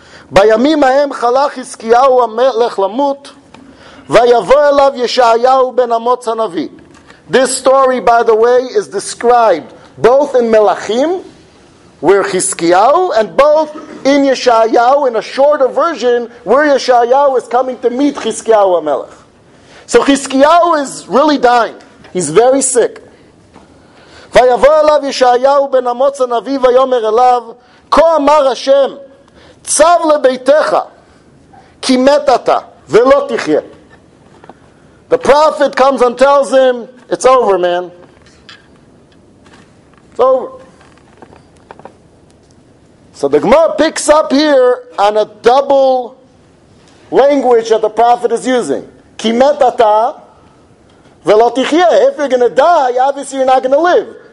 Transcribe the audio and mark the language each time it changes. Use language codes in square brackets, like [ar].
[he] בימים ההם חלך חזקיהו המלך למות ויבוא אליו ישעיהו בן אמוץ הנביא. [en] This story, by the way, is described both in Melachim, where Chizkiyahu, and both in Yeshayahu, in a shorter version, where Yeshayahu is coming to meet Chizkiyahu HaMelech. So Chizkiyahu is really dying. He's very sick. [he] ויבוא אליו ישעיהו בן אמוץ הנביא ויאמר אליו, כה אמר השם, צב לביתך, כי מת אתה, ולא תחיה. [en] The prophet comes and tells him, it's over, man. It's over. So the Gemara picks up here on a double language that the prophet is using. [he] כי מת אתה, ולא תחיה. [en] If you're going to die, obviously you're not going to live.